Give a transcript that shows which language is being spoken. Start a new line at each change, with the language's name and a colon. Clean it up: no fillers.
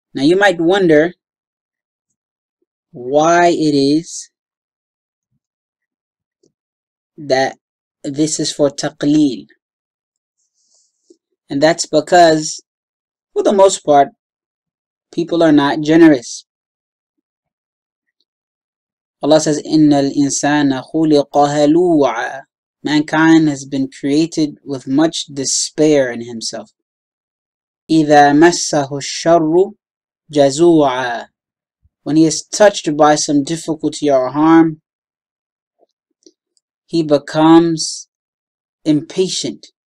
English: Now you might wonder why it is that this is for taqleel. And that's because, for the most part, people are not generous. Allah says,
Arabic: إِنَّ الْإِنسَانَ خُلِقَ هَلُوعًا.
English: Mankind has been created with much despair in himself.
Arabic: إِذَا مَسَّهُ الشَّرُّ جَزُوعًا.
English: When he is touched by some difficulty or harm, he becomes impatient.